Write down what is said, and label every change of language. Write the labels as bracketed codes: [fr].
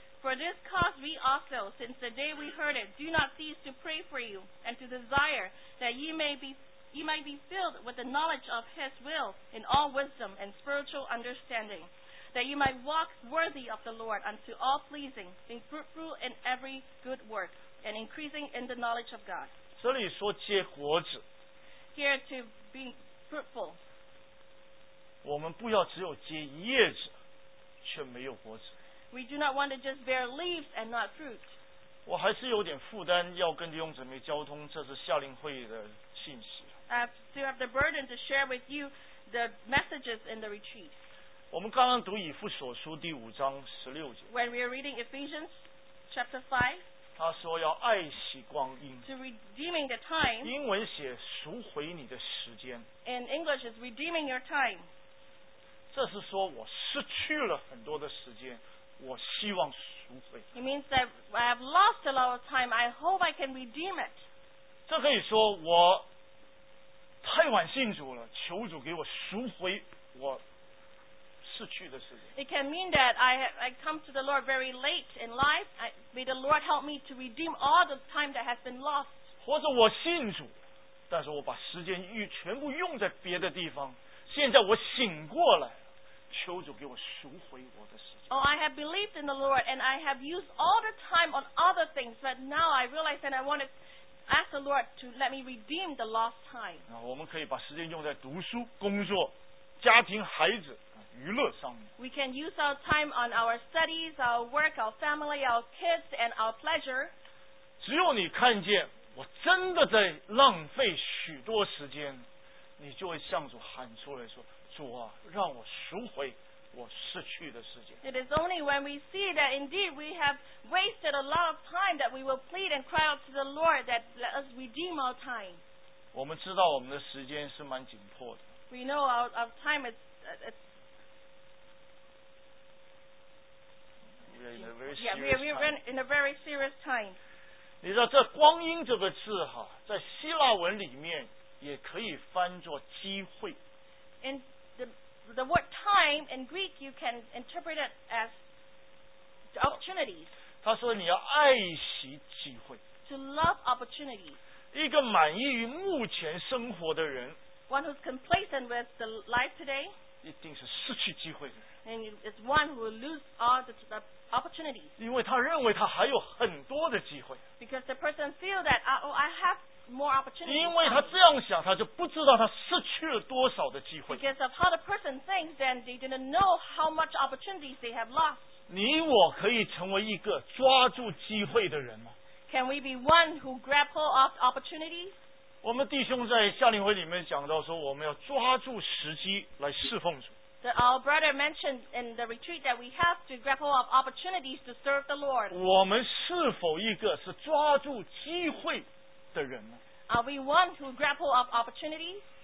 [en] For this cause we also, since the day we heard it, do not cease to pray for you and to desire that ye might be filled with the knowledge of his will in all wisdom and spiritual understandingthat you might walk worthy of the Lord unto all pleasing, being fruitful in every good work, and increasing in the knowledge of God. [zh] 这里说结果子。 [en] Here to be fruitful. [zh] 我们不要只有结叶子，却没有果子。 [en] We do not want to just bear leaves and not fruit. [zh] 我还是有点负担要跟弟兄姊妹交通，这是夏令会的信息。 [en] I still have the burden to share with you the messages in the retreat. [zh] 我们刚刚读以弗所书第五章十六节。 [en] When we are reading Ephesians chapter 5, [zh] 他说要爱惜光阴。 [en] To redeeming the time. [zh] 英文写赎回你的时间。 [en] In English is redeeming your time. [zh] 这是说我失去了很多的时间，我希望赎回。 [en] It means that I have lost a lot of time. I hope I can redeem it. [zh] 这可以说我太晚信主了，求主给我赎回我。 [en] It can mean that I come to the Lord very late in life. May the Lord help me to redeem all the time that has been lost. [zh] 或者我信主，但是我把时间全部用在别的地方。现在我醒过来，求主给我赎回我的时间。 [en] Oh, I have believed in the Lord and I have used all the time on other things, but now I realize that I want to ask the Lord to let me redeem the lost time. [zh] 我们可以把时间用在读书、工作、家庭、孩子。 [en] We can use our time on our studies, our work, our family, our kids, and our pleasure. [zh] 只有你看见我真的在浪费许多时间，你就会向主喊出来说：“主啊，让我赎回我失去的时间。” [en] It is only when we see that indeed we have wasted a lot of time that we will plead and cry out to the Lord that let us redeem our time. [zh] 我们知道我们的时间是蛮紧迫的。 [en] We know our time is We are in a very serious time. [zh] 你知道这光阴这个字哈，在希腊文里面也可以翻作机会。 [en] In the word time in Greek, you can interpret it as opportunities. [zh] 他说你要爱惜机会。 [en] To love opportunities. [zh] 一个满意于目前生活的人。 [en] One who's complacent with the life today. [zh] 一定是失去机会的。 [en] And it's one who will lose all the opportunities. [zh] 因为他认为他还有很多的机会。 [en] Because the person feels that, oh, I have more opportunities. [zh] 因为他这样想，他就不知道他失去了多少的机会。 [en] Because of how the person thinks, then they didn't know how much opportunities they have lost. [zh] 你我可以成为一个抓住机会的人吗？ [en] Can we be one who grab hold of opportunities? [zh] 我们弟兄在夏令会里面讲到说，我们要抓住时机来侍奉主。 [en] Our brother mentioned in the retreat that we have to grapple up opportunities to serve the Lord. [zh] 我们是否一个是抓住机会的人呢？ [en] Are we one who grapple up opportunities?